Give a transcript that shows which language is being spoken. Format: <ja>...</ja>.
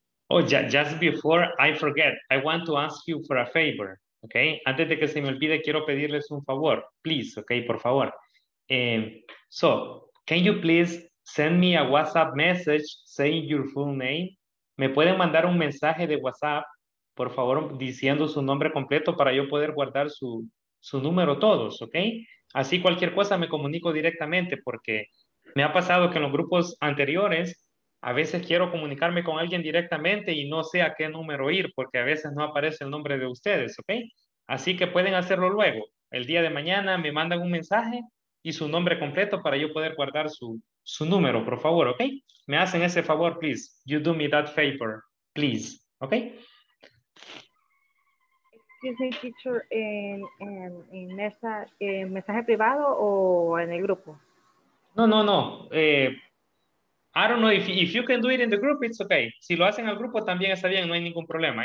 <en>Oh, just before I forget, I want to ask you for a favor, okay?</en> <es>Antes de que se me olvide, quiero pedirles un favor, please, okay, por favor.</es> <en>So, can you please send me a WhatsApp message saying your full name?</en> <es>¿Me pueden mandar un mensaje de WhatsApp, por favor, diciendo su nombre completo para yo poder guardar su número todos, okay? Así cualquier cosa me comunico directamente porque me ha pasado que en los grupos anteriores a veces quiero comunicarme con alguien directamente y no sé a qué número ir porque a veces no aparece el nombre de ustedes, ¿ok? Así que pueden hacerlo luego. El día de mañana me mandan un mensaje y su nombre completo para yo poder guardar su número, por favor, ¿ok? Me hacen ese favor,</es> <en>please. You do me that favor, please, ¿ok? Excuse me, teacher,</en> <es>en mensaje privado o en el grupo? No.</es> <en>I don't know if you can do it in the group, it's okay.</en> <es>Si lo hacen al grupo, también está bien, no hay ningún problema.</es>